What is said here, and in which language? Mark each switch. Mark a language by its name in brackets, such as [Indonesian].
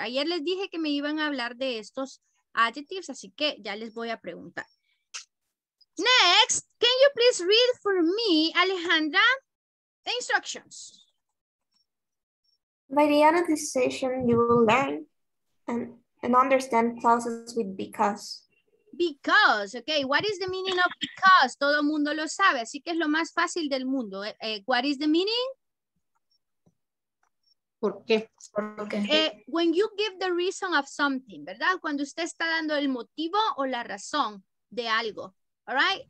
[Spanish] Ayer les dije que me iban a hablar de estos adjectives, así que ya les voy a preguntar. [English] Next, can you please read for me, Alejandra, the instructions? By the end of this session, you will learn and understand clauses with because. Because, okay. What is the meaning of because? [Spanish] Todo mundo lo sabe, así que es lo más fácil del mundo. [English] What is the meaning? [Spanish] ¿Por qué? ¿Por qué? [English] When you give the reason of something, ¿verdad? [Spanish] Cuando usted está dando el motivo o la razón de algo, all right?